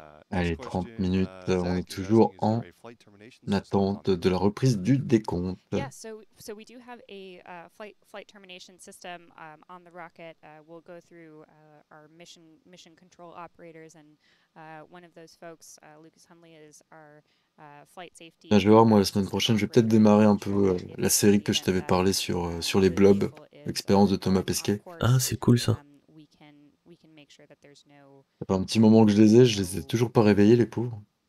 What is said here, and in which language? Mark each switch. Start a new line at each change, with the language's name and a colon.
French: Allez, 30 minutes, on est toujours en attente de la reprise du décompte.
English: Yeah, so we do have a flight termination system on the rocket. We'll go through our mission control operators and one of those folks, Lucas Hundley, is our flight safety.
French: Je vais voir, moi, la semaine prochaine, je vais peut-être démarrer un peu la série que je t'avais parlé sur les blobs, l'expérience de Thomas Pesquet. Ah, c'est cool, ça. Ça fait un petit moment que je les ai toujours pas réveillés, les pauvres.